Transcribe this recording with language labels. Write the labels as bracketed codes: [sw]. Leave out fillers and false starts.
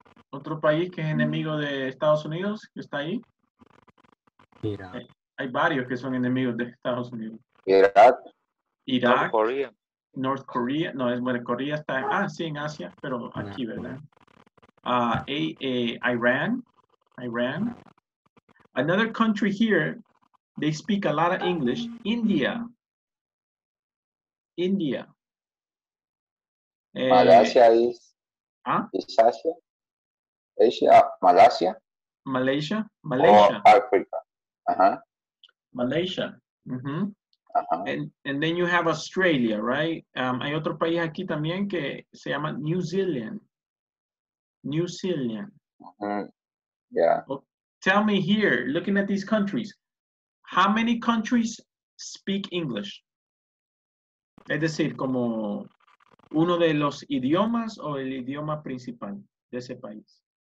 [es] Otro país que es enemigo de Estados Unidos, que está ahí. Irak. Hay varios que son enemigos de Estados Unidos. Irak. Irak. [en] North Korea. North Korea. [es] No, es bueno, Corea está, sí, en Asia, pero aquí, ¿verdad? Iran. [en] Another country here, they speak a lot of English, India. Malaysia is, is Asia? Asia, Malaysia? Malaysia. Or Africa, Malaysia, And then you have Australia, right? [es] Hay otro país aquí también que se llama New Zealand. [en] New Zealand. Yeah. Tell me here, looking at these countries, how many countries speak English? [es] Es decir, como uno de los idiomas o el idioma principal de ese país.